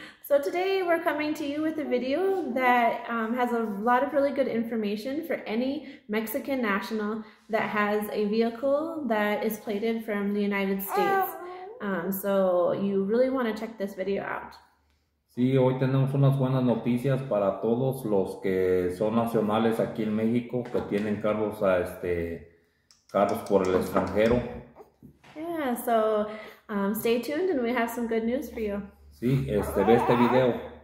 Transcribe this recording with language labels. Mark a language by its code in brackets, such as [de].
[en] So today we're coming to you with a video that has a lot of really good information for any Mexican national that has a vehicle that is plated from the United States. So you really want to check this video out. [es] Sí, hoy tenemos unas buenas noticias para todos los que son nacionales aquí en México, que tienen carros a carros por el extranjero. [en] Yeah, so stay tuned and we have some good news for you. [es] Sí, ve este video.